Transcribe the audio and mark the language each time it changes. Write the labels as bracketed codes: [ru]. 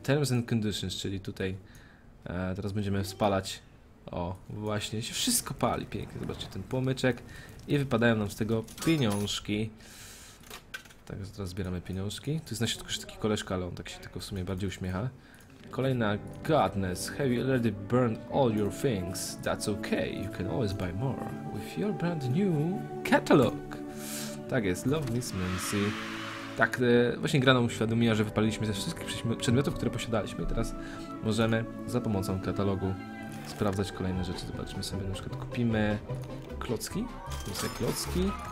[en] Terms and conditions, [pl] czyli tutaj teraz będziemy spalać. O, właśnie się wszystko pali. Pięknie, zobaczcie ten płomyczek. I wypadają nam z tego pieniążki. Także teraz zbieramy pieniążki. Tu jest na środku jeszcze taki koleżka, ale on tak się tylko w sumie bardziej uśmiecha. Kolejna. [en] Godness, have you already burned all your things? That's okay, you can always buy more with your brand new catalog. [pl] Tak jest, [en] love Miss Mincy. [pl] Tak, właśnie gra nam uświadomiła, że wypaliliśmy ze wszystkich przedmiotów, które posiadaliśmy. I teraz możemy za pomocą katalogu sprawdzać kolejne rzeczy. Zobaczmy sobie, na przykład kupimy klocki. Tu są klocki.